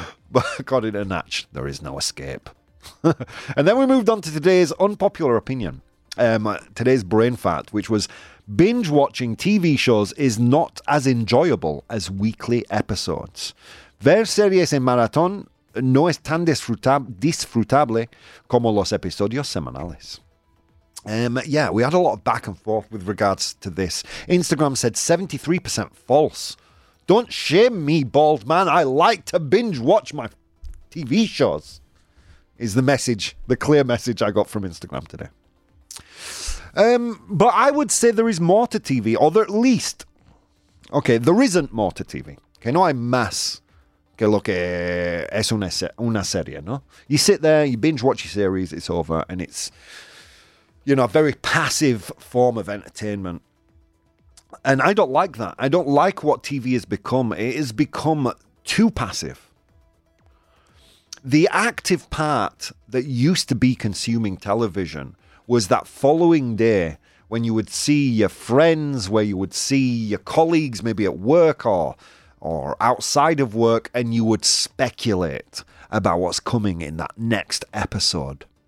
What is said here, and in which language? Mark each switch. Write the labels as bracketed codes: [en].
[en] But according to Natch, there is no escape. And then we moved on to today's unpopular opinion. Today's brain fart, which was binge watching TV shows is not as enjoyable as weekly episodes. [es] Ver series en maratón no es tan disfrutable como los episodios semanales. [en] Yeah, we had a lot of back and forth with regards to this. Instagram said 73% false. Don't shame me, bald man. I like to binge watch my TV shows, is the message, the clear message I got from Instagram today. But I would say there is more to TV, or there at least, okay, there isn't more to TV. [es] Okay, no hay más que lo que es una serie, no? [en] You sit there, you binge watch your series, it's over, and it's, you know, a very passive form of entertainment. And I don't like that. I don't like what TV has become. It has become too passive. The active part that used to be consuming television was that following day when you would see your friends, where you would see your colleagues maybe at work or outside of work, and you would speculate about what's coming in that next episode.